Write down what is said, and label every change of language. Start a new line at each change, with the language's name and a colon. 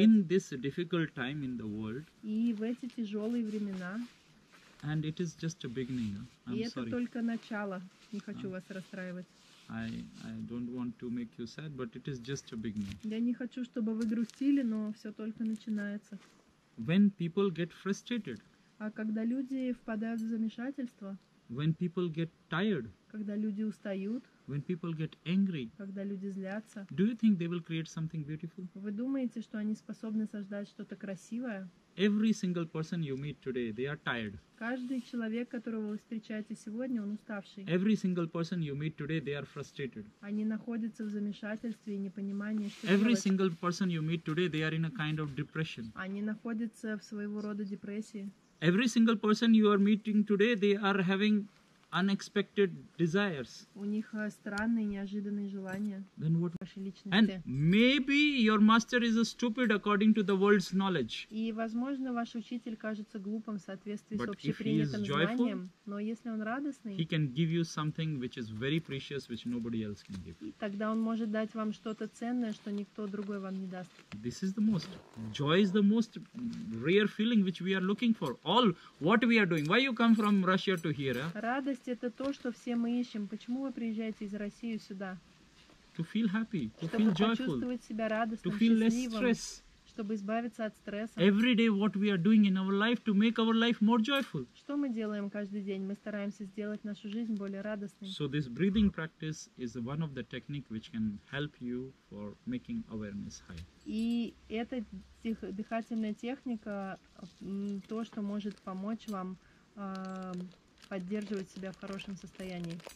English: In this difficult time in the world.
Russian: И в эти тяжелые времена.
English: And it is just a beginning. I'm sorry.
Russian: И это только начало. Не хочу вас расстраивать.
English: I don't want to make you sad, but it is just a beginning.
Russian: Я не хочу, чтобы вы грустили, но все только начинается.
English: When people get frustrated.
Russian: А когда люди впадают в замешательство,
English: when people get tired,
Russian: когда люди устают,
English: when people get angry,
Russian: когда люди злятся,
English: do you think they will create something beautiful?
Russian: Вы думаете, что они способны создать что-то красивое?
English: Every single person you meet today, they are tired.
Russian: Каждый человек, которого вы встречаете сегодня, он уставший.
English: Every single person you meet today, they are frustrated.
Russian: Они находятся в замешательстве и непонимании, что
English: Every
Russian: делать.
English: Single person you meet today, they are in a kind of depression.
Russian: Они находятся в своего рода депрессии.
English: Every single person you are meeting today, they are having unexpected desires.
Russian: У них странные, неожиданные желания.
English: Then what?
Russian: Вашей личности.
English: And maybe your master is a stupid according to the world's knowledge.
Russian: И возможно ваш учитель кажется глупым в соответствии
English: But
Russian: с общепринятым
English: if he is
Russian: знанием,
English: joyful,
Russian: но если он радостный,
English: he can give you something which is very precious, which nobody else can give.
Russian: И тогда он может дать вам что-то ценное, что никто другой вам не даст.
English: This is the most joy is the most rare feeling which we are looking for. All what we are doing. Why you come from Russia to here?
Russian: Радость — это то, что все мы ищем. Почему вы приезжаете из России сюда?
English: To feel happy, to
Russian: чтобы
English: feel joyful,
Russian: почувствовать себя радостным,
English: to feel
Russian: счастливым,
English: less stress.
Russian: Чтобы избавиться от стресса.
English: Every day what we are doing in our life to make our life more joyful.
Russian: Что мы делаем каждый день? Мы стараемся сделать нашу жизнь более радостной.
English: So this breathing practice is one of the technique which can help you for making awareness high.
Russian: И эта дыхательная техника то, что может помочь вам поддерживать себя в хорошем состоянии.